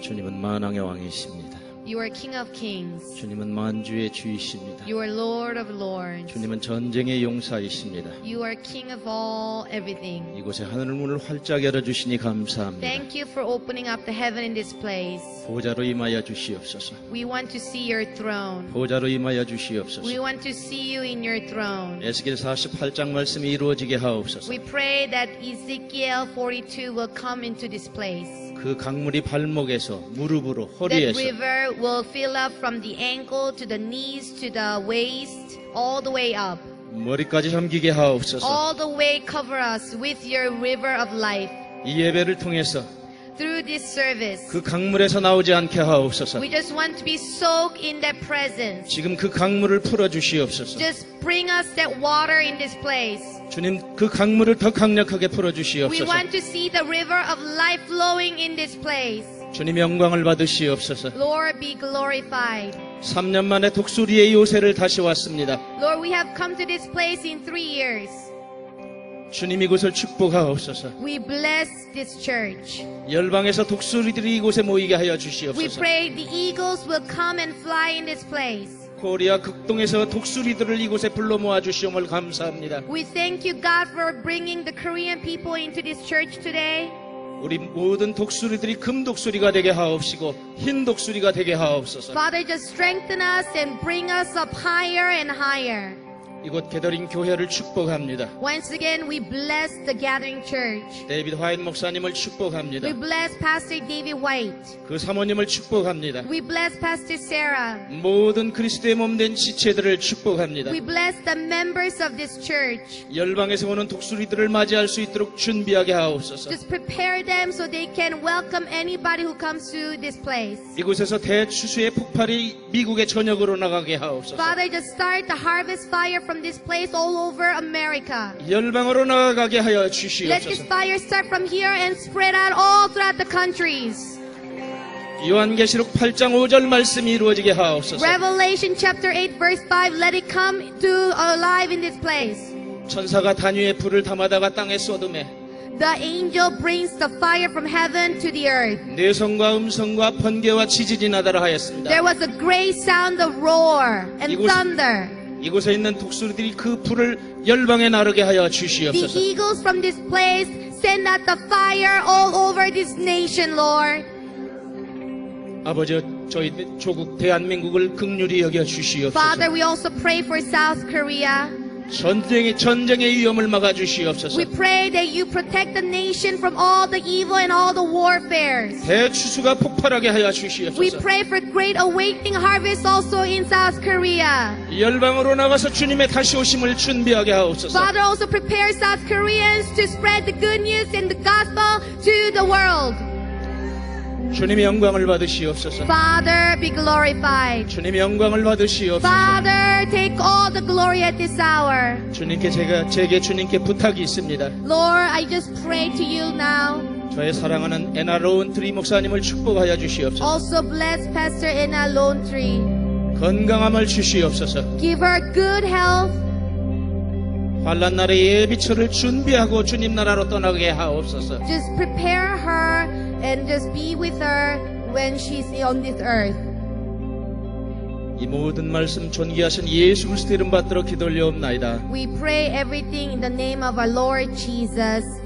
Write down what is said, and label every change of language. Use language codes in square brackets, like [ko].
[ko] 주님은 만왕의 왕이십니다. [en] You are King of Kings. [ko] 주님은 만주의 주이십니다. [en] You are Lord of Lords. [ko] 주님은 전쟁의 용사이십니다. [en] You are King of all everything. [ko] 이곳에 하늘 문을 활짝 열어 주시니 감사합니다. [en] Thank you for opening up the heaven in this place. [ko] 보좌로 임하여 주시옵소서. [en] We want to see your throne. [ko] 보좌로 임하여 주시옵소서. [en] We want to see you in your throne. [ko] 에스겔 48장 말씀이 이루어지게 하옵소서. [en] We pray that Ezekiel 42 will come into this place. [ko] 그 강물이 발목에서 무릎으로 허리에서 [en] The river will fill up from the ankle to the knees to the waist all the way up. [ko] 머리까지 잠기게 하옵소서. [en] All the way cover us with your river of life. [ko] 이 예배를 통해서 [en] Through this service. [ko] 그 강물에서 나오지 않게 하옵소서. [en] We just want to be soaked in that presence. [ko] 지금 그 강물을 풀어 주시옵소서. [en] Just bring us that water in this place. [ko] 주님 그 강물을 더 강력하게 풀어 주시옵소서. [en] We want to see the river of life flowing in this place. [ko] 주님 영광을 받으시옵소서. [en] Lord be glorified. [ko] 3년 만에 독수리의 요새를 다시 왔습니다. [en] Lord, we have come to this place in 3 years. [ko] 주님 이곳을 축복하옵소서. [en] We bless this church. [ko] 열방에서 독수리들이 이곳에 모이게 하여 주시옵소서. [en] We pray the eagles will come and fly in this place. [ko] 코리아 극동에서 독수리들을 이곳에 불러 모아 주시옵을 감사합니다. [en] We thank you God for bringing the Korean people into this church today. [ko] 우리 모든 독수리들이 금 독수리가 되게 하옵시고 흰 독수리가 되게 하옵소서. [en] Father, just strengthen us and bring us up higher and higher. [ko] 이곳 게더린 교회를 축복합니다. [en] Once again, we bless the gathering church. [ko] 데이비드 화이트 목사님을 축복합니다. [en] We bless Pastor David White. [ko] 그 사모님을 축복합니다. [en] We bless Pastor Sarah. [ko] 모든 그리스도의 몸된 지체들을 축복합니다. [en] We bless the members of this church. [ko] 열방에서 오는 독수리들을 맞이할 수 있도록 준비하게 하옵소서. [en] Just prepare them so they can welcome anybody who comes to this place. [ko] 이곳에서 대추수의 폭발이 미국의 전역으로 나가게 하옵소서. [en] Father, just start the harvest fire from this place all over America. [ko] 열방으로 나아가게 하여 주시옵소서. [en] Let this fire start from here and spread out all throughout the countries. [ko] 요한계시록 8장 5절 말씀이 이루어지게 하옵소서. [en] Revelation chapter 8 verse 5 let it come to alive in this place. [ko] 천사가 단위의 불을 담아다가 땅에 쏟으매 [en] The angel brings the fire from heaven to the earth. [ko] 내성과 음성과 번개와 지진이 나다라 하였습니다. [en] There was a great sound of roar and thunder. [ko] 이곳에 있는 독수리들이 그 불을 열방에 나르게 하여 주시옵소서. [en] The eagles from this place send out the fire all over this nation, Lord. [ko] 아버지, 저희 조국 대한민국을 긍휼히 여겨 주시옵소서. [en] Father, we also pray for South Korea. [ko] 전쟁의 위험을 막아 주시옵소서. [en] We pray that you protect the nation from all the evil and all the warfare. [ko] 대추수가 폭발하게 하여 주시옵소서. [en] We pray for great awakening harvest also in South Korea. [ko] 열방으로 나가서 주님의 다시 오심을 준비하게 하옵소서. [en] Father, also prepare South Koreans to spread the good news and the gospel to the world. [ko] 주님의 영광을 받으시옵소서. [en] Father, be glorified. [ko] 주님의 영광을 받으시옵소서. [en] Father, take all the glory at this hour. [ko] 주님께 제게 주님께 부탁이 있습니다. [en] Lord, I just pray to you now. [ko] 저의 사랑하는 에나 론트리 목사님을 축복하여 주시옵소서. [en] Also bless Pastor Anna Lone-Tree. [ko] 건강함을 주시옵소서. [en] Give her good health. [ko] 환난 날의 예비처를 준비하고 주님 나라로 떠나게 하옵소서. [en] Just prepare her and just be with her when she's on this earth. [ko] 이 모든 말씀 존귀하신 예수 그리스도 이름 받들어 기도하옵나이다. [en] We pray everything in the name of our Lord Jesus.